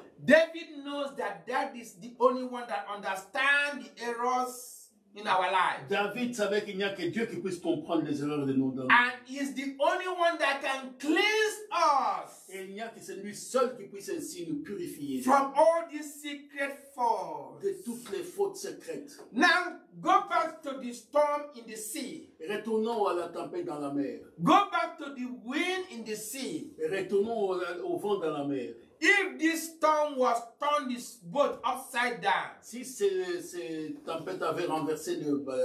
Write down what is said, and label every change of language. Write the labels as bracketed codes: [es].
[en] David knows that that is the only one that understands the errors in our life. [fr] David savait qu'il n'y a que Dieu qui puisse comprendre les erreurs de nos dents. [en] And he's the only one that can cleanse us. [fr] Et il n'y a que c'est lui seul qui puisse ainsi nous purifier. [en] From all these secret faults. [fr] De toutes les fautes secrètes. [en] Now go back to the storm in the sea. [fr] Retournons à la tempête dans la mer. [en] Go back to the wind in the sea. [fr] Retournons au vent dans la mer. [en] If this storm was turned this boat upside down, [fr] si cette tempête avait renversé le